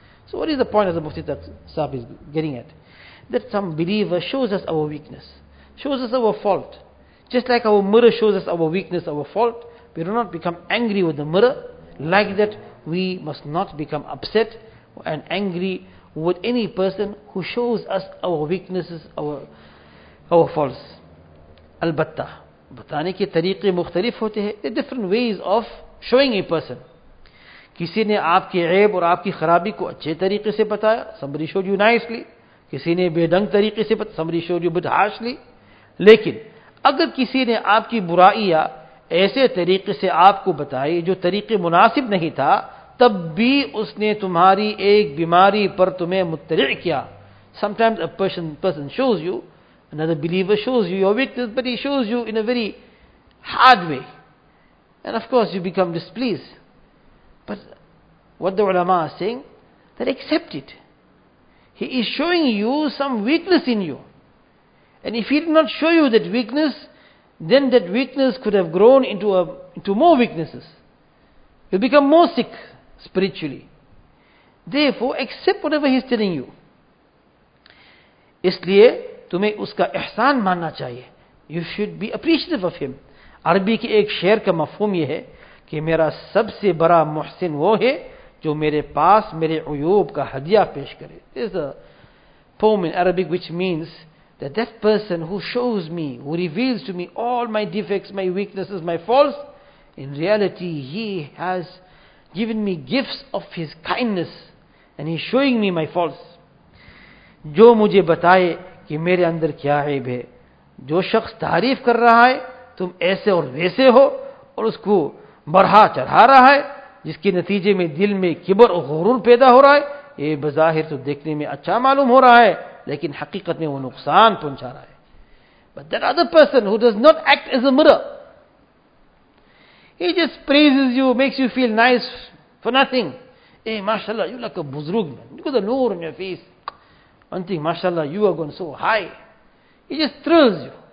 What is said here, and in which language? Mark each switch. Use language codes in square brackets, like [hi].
[en] So what is the point of the Mufti Sahib is getting at? That some believer shows us our weakness, shows us our fault. Just like our mirror shows us our weakness, our fault, we do not become angry with the mirror. Like that, we must not become upset and angry with any person who shows us our weaknesses, our faults. [ur] Albatta. بتانے کے طریقے مختلف ہوتے ہیں. [en] Different ways of showing a person. [ur] کسی نے آپ کے عیب اور آپ کی خرابی کو اچھے طریقے سے بتایا. [en] Somebody showed you nicely. [ur] کسی نے بے ڈنگ طریقے سے بتایا. [en] Somebody showed you a bit harshly. [ur] لیکن اگر کسی نے آپ کی برائیاں ایسے طریقے سے آپ کو بتائی جو طریقے مناسب نہیں تھا, تب بھی اس نے تمہاری ایک بیماری پر تمہیں مطلع کیا. [en] Sometimes a person shows you, another believer shows you your weakness, but he shows you in a very hard way. And of course you become displeased. But what the ulama are saying, that accept it. He is showing you some weakness in you. And if he did not show you that weakness, then that weakness could have grown into more weaknesses. You become more sick spiritually. Therefore, accept whatever he is telling you. [ur] Isliye, تمہیں اس کا احسان ماننا چاہیے. [en] You should be appreciative of him. [ur] عربی کے ایک شعر کا مفہوم یہ ہے کہ میرا سب سے بڑا محسن وہ ہے جو میرے پاس میرے عیوب کا ہدیہ پیش کرے. [en] There's a poem in Arabic which means that person who shows me, who reveals to me all my defects, my weaknesses, my faults, in reality he has given me gifts of his kindness and he's showing me my faults. [ur] جو مجھے بتائے کہ میرے اندر کیا عیب ہے. جو شخص تعریف کر رہا ہے تم ایسے اور ویسے ہو اور اس کو بڑھا چڑھا رہا ہے, جس کے نتیجے میں دل میں کبر اور غرور پیدا ہو رہا ہے. یہ بظاہر تو دیکھنے میں اچھا معلوم ہو رہا ہے لیکن حقیقت میں وہ نقصان پہنچا رہا ہے. [en] But that other person who does not act as a mirror, he just praises you, makes you feel nice for nothing. Hey, mashallah, you like a buzrug man. Look at the noor on your face. One thing, mashallah, you are going so high. He just thrills you.